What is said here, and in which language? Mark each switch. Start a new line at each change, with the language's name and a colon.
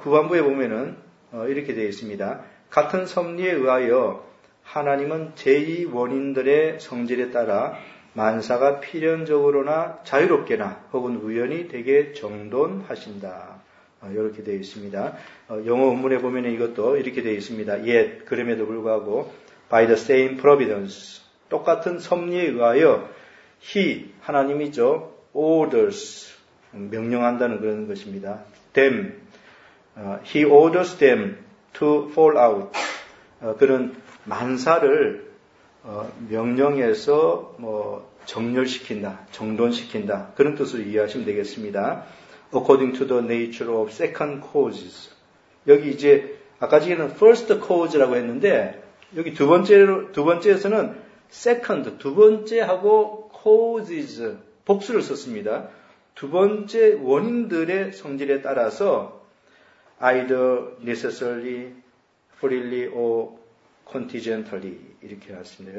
Korean: 후반부에 보면은 이렇게 되어 있습니다. 같은 섭리에 의하여 하나님은 제2원인들의 성질에 따라 만사가 필연적으로나 자유롭게나 혹은 우연히 되게 정돈하신다. 이렇게 되어 있습니다. 영어 원문에 보면 이것도 이렇게 되어 있습니다.
English: Yet,
Korean: 그럼에도 불구하고
English: by the same providence,
Korean: 똑같은 섭리에 의하여
English: He,
Korean: 하나님이죠. orders, 명령한다는 그런 것입니다.
English: them, he orders them to fall out.
Korean: 그런 만사를 명령해서 뭐 정렬시킨다, 정돈시킨다. 그런 뜻으로 이해하시면 되겠습니다.
English: according to the nature of second causes.
Korean: 여기 이제, 아까 전에는 first cause라고 했는데, 여기 두 번째에서는 second, 두 번째하고 causes. 복수를 썼습니다. 두 번째 원인들의 성질에 따라서
English: either necessarily, freely, or contingently
Korean: 이렇게 하였습니다.